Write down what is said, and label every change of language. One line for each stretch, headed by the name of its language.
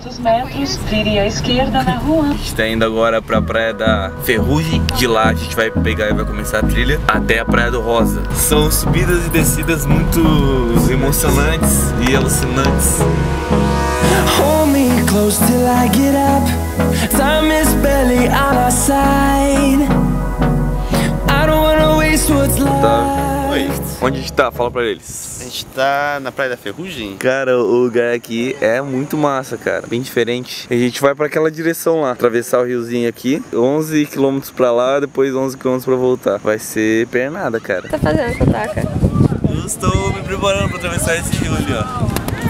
Portuguese: 300 metros, vire à esquerda na rua. A gente tá indo agora pra Praia da Ferrugem. De lá a gente vai pegar e vai começar a trilha até a Praia do Rosa. São subidas e descidas muito emocionantes e alucinantes.
English: Hold me close till I get up. Time is barely on our side. I don't wanna waste what's left.
Portuguese: Oi. Onde a gente tá? Fala pra eles. A gente tá na Praia da Ferrugem. Cara, o lugar aqui é muito massa, cara. Bem diferente. A gente vai pra aquela direção lá. Atravessar o riozinho aqui. 11 quilômetros pra lá, depois 11 quilômetros pra voltar. Vai ser pernada, cara. Tá fazendo essa taca? Eu estou me preparando pra atravessar esse rio ali, ó.